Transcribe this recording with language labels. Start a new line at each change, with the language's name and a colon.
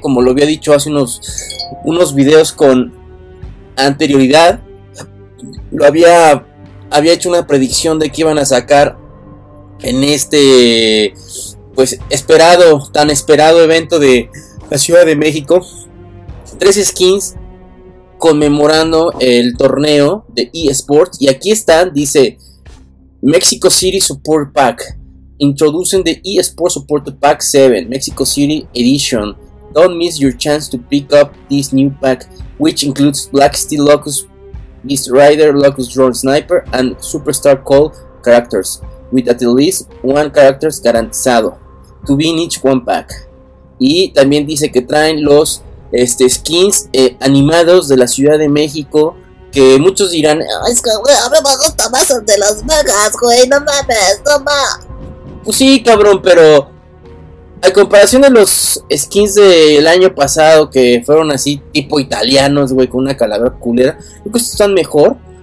Spanish: Como lo había dicho hace unos videos con anterioridad, había hecho una predicción de que iban a sacar en este, pues, esperado, tan esperado evento de la Ciudad de México, tres skins conmemorando el torneo de eSports, y aquí están, dice Mexico City Support Pack.
English: Introducing the eSports Support Pack 7, Mexico City Edition. Don't miss your chance to pick up this new pack, which includes Black Steel Locust, Beast Rider, Locust Drone Sniper, and Superstar Call characters, with at least one character garantizado to be in each one pack.
Spanish: Y también dice que traen los skins animados de la Ciudad de México, que muchos dirán, es que, güey, me gusta más el de Las Vegas, güey, no mames, no mames. Pues sí, cabrón, pero a comparación de los skins del año pasado, que fueron así tipo italianos, güey, con una calavera culera, creo que están mejor.